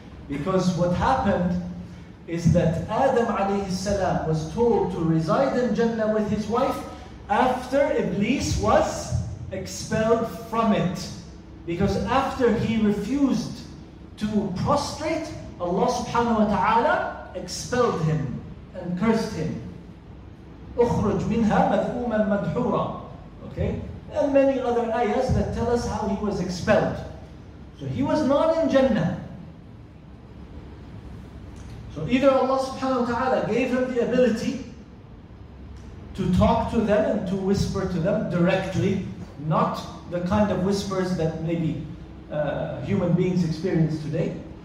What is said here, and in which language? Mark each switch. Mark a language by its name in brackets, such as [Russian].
[English] Because what happened is that Adam alayhi salam was told to reside in Jannah with his wife after Iblis was expelled from it. Because after he refused to prostrate, Allah subhanahu wa ta'ala expelled him and cursed him. [Arabic] أخرج منها مذؤوما مدحورا. [English] Okay? And many other ayahs that tell us how he was expelled. So he was not in Jannah. So either Allah subhanahu wa ta'ala gave him the ability to talk to them and to whisper to them directly, not the kind of whispers that maybe human beings experience today.